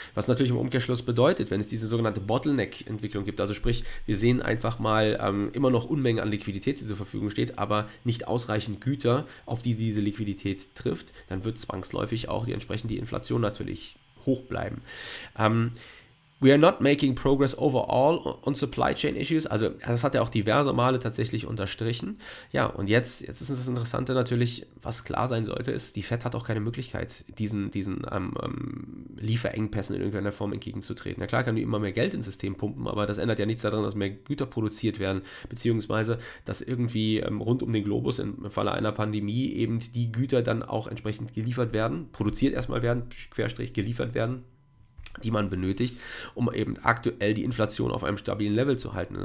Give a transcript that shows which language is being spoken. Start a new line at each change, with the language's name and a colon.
German: Was natürlich im Umkehrschluss bedeutet, wenn es diese sogenannte Bottleneck-Entwicklung gibt, also sprich, wir sehen einfach mal immer noch Unmengen an Liquidität, die zur Verfügung steht, aber nicht ausreichend Güter, auf die diese Liquidität trifft, dann wird zwangsläufig auch die Inflation natürlich hoch bleiben.
English: We are not making progress overall on supply chain issues.
German: Also, das hat er auch diverse Male tatsächlich unterstrichen. Ja, und jetzt ist das Interessante natürlich, was klar sein sollte, ist, die Fed hat auch keine Möglichkeit, diesen Lieferengpässen in irgendeiner Form entgegenzutreten. Na klar, kann die immer mehr Geld ins System pumpen, aber das ändert ja nichts daran, dass mehr Güter produziert werden, beziehungsweise, dass irgendwie rund um den Globus im Falle einer Pandemie eben die Güter dann auch entsprechend geliefert werden, produziert erstmal werden, Querstrich geliefert werden, die man benötigt, um eben aktuell die Inflation auf einem stabilen Level zu halten.